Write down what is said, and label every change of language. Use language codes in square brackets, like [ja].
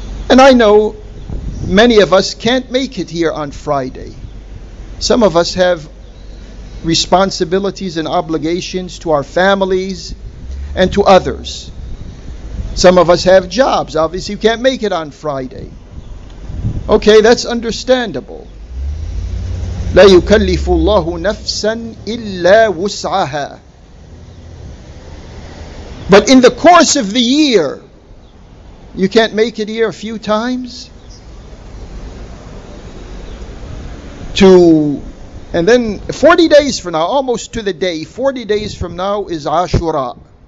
[en] And I know many of us can't make it here on Friday. Some of us have responsibilities and obligations to our families and to others. Some of us have jobs. Obviously, you can't make it on Friday. Okay, that's understandable. [ar] لا يكلف الله نفسا إلا وسعها. [en] But in the course of the year, you can't make it here a few times? And then 40 days from now, almost to the day, 40 days from now is Ashura.